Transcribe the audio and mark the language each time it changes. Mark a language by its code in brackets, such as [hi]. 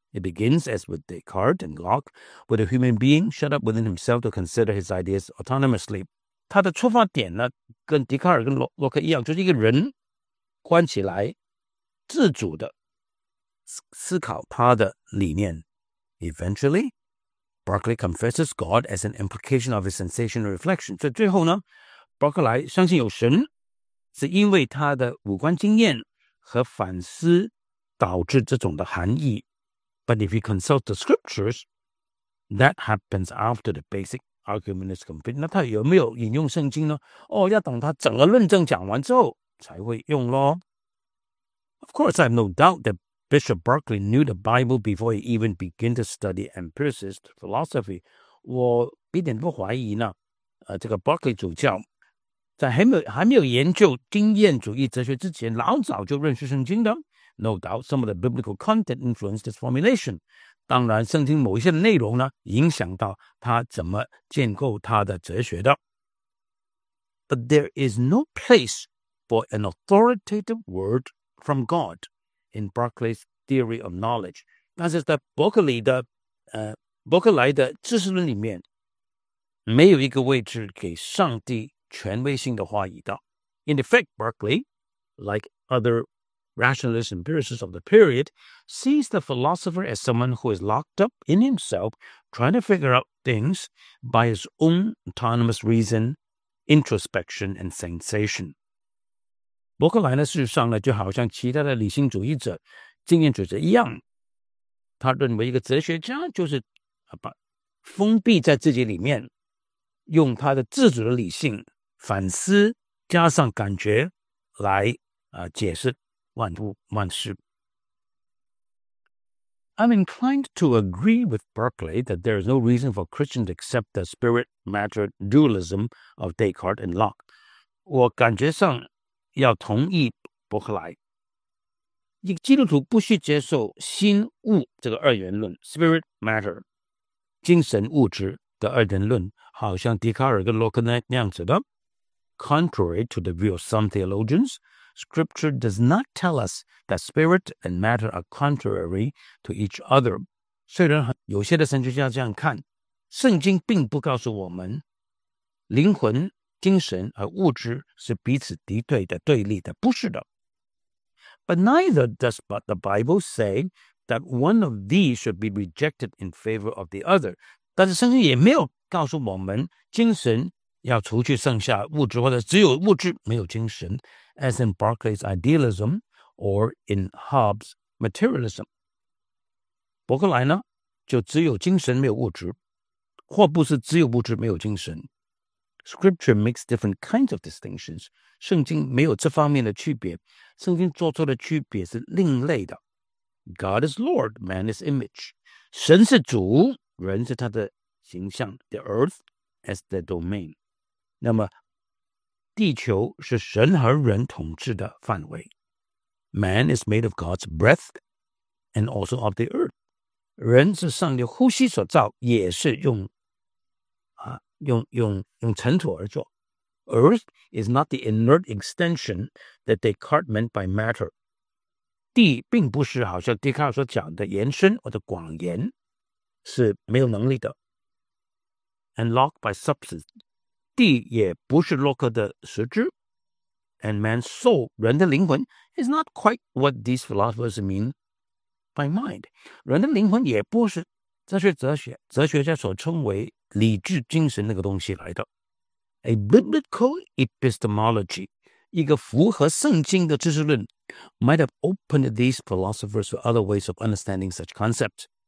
[en] It begins, as with Descartes and Locke, with a human being shut up within himself to consider his ideas autonomously. [zh] 他的出发点呢，跟笛卡尔跟洛克一样，就是一个人关起来，自主的思考他的理念。 [en] Eventually, Berkeley confesses God as an implication of his sensational reflection. [zh] 所以最后呢，伯克莱相信有神，是因为他的五官经验和反思导致这种的含义。 [en] But if you consult the scriptures, that happens after the basic argument is complete. [zh] 那他有没有引用圣经呢？哦，要等他整个论证讲完之后才会用咯。 [en] Of course, I have no doubt that Bishop Berkeley knew the Bible before he even began to study empiricist philosophy. [zh] 我一点不怀疑呢，这个 Berkeley 主教在还没有研究经验主义哲学之前，老早就认识圣经的。 [en] No doubt, some of the biblical content influenced his formulation. [zh] 当然，圣经某一些内容呢，影响到他怎么建构他的哲学的。 [en] But there is no place for an authoritative word from God in Berkeley's theory of knowledge. [zh] 但是在伯克莱的知识论里面，没有一个位置给上帝权威性的话语的。 [en] In effect, Berkeley, like other rationalist empiricists of the period, sees the philosopher as someone who is locked up in himself, trying to figure out things by his own autonomous reason, introspection, and sensation. [zh] 伯克莱呢，事实上呢，就好像其他的理性主义者、经验主义者一样，他认为一个哲学家就是把封闭在自己里面，用他的自主的理性、反思加上感觉来解释万事。 [en] I'm inclined to agree with Berkeley that there is no reason for Christians to accept the spirit-matter dualism of Descartes and Locke. [zh] 我感觉上要同意伯克莱，一个基督徒不需接受心物这个二元论 spirit-matter 精神物质的二元论，好像笛卡尔跟洛克那样子的。 [en] Contrary to the view of some theologians,Scripture does not tell us that spirit and matter are contrary to each other. [zh] 虽然有些的神学家这样看，圣经并不告诉我们灵魂、精神和物质是彼此敌对的、对立的，不是的。 [en] But neither does the Bible say that one of these should be rejected in favor of the other. [zh] 但是圣经也没有告诉我们精神要除去剩下物质，或者只有物质没有精神。 [en] As in Berkeley's idealism or in Hobbes' materialism. [zh] 伯克莱呢，就只有精神没有物质，或不是只有物质没有精神。 [en] Scripture makes different kinds of distinctions. [zh] 圣经没有这方面的区别，圣经做出的区别是另类的。 [en] God is Lord, man is image. [zh] 神是主，人是他的形象。 [en] The earth as the domain. [zh] 那么地球是神和人统治的范围。 [en] Man is made of God's breath and also of the earth. [zh] 人是上帝呼吸所造，也是用尘土而做。 [en] Earth is not the inert extension that Descartes meant by matter. [zh] 地并不是好像笛卡尔所讲的延伸或者广延，是没有能力的。 [en] And locked by substance. [zh] 地也不是洛克的实质。 [en] And man's soul, [zh] 人的灵魂 [en] is not quite what these philosophers mean by mind. [zh] 人的灵魂也不是哲学家所称为理智精神那个东西来的。 [en] A biblical epistemology, [zh] 一个符合圣经的知识论 [en] might have opened these philosophers to other ways of understanding such concepts.